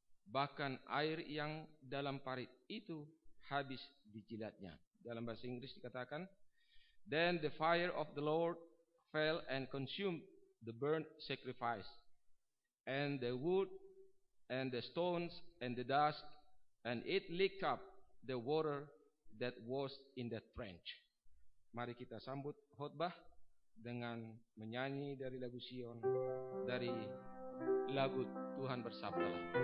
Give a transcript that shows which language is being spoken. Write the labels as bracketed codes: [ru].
[id] Bahkan air yang dalam parit itu habis dijilatnya. Dalam bahasa Inggris dikatakan, [en] then the fire of the Lord fell and consumed the burnt sacrifice, and the wood, and the stones, and the dust, and it licked up the water that was in the trench. [id] Mari kita sambut khotbah dengan menyanyi dari lagu Sion, dari lagu Tuhan Bersabdalah.